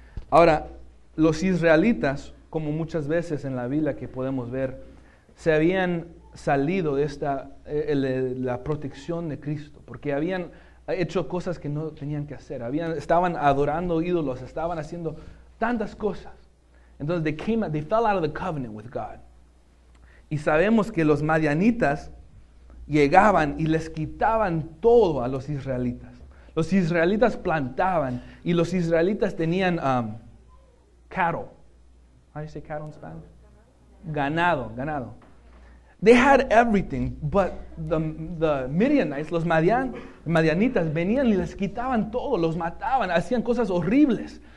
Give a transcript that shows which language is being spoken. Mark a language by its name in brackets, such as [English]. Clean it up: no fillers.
[Spanish] Ahora, los israelitas, como muchas veces en la Biblia que podemos ver, se habían salido de la protección de Cristo, porque habían hecho cosas que no tenían que hacer, estaban adorando ídolos, estaban haciendo tantas cosas. Entonces [English] they fell out of the covenant with God. [Spanish] Y sabemos que los madianitas llegaban y les quitaban todo a los israelitas. Los israelitas plantaban y los israelitas tenían cattle. [English] How do you say cattle in Spanish? Ganado. They had everything, but the Midianites, [Spanish] los Madianitas, venían y les quitaban todo, los mataban, hacían cosas horribles.